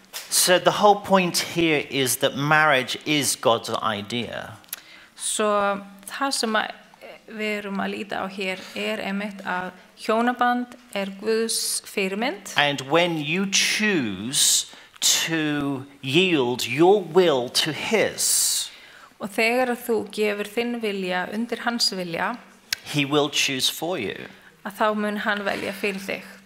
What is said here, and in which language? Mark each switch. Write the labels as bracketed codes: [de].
[en] So the whole point here is that marriage is God's idea. [is] So það sem við erum að líta á hér er einmitt að hjónaband er Guðs fyrirmynd. [en] And when you choose to yield your will to his. [is] Og þegar þú gefur þinn vilja undir hans vilja. [en] He will choose for you. [is] Að þá mun hann velja fyrir þig.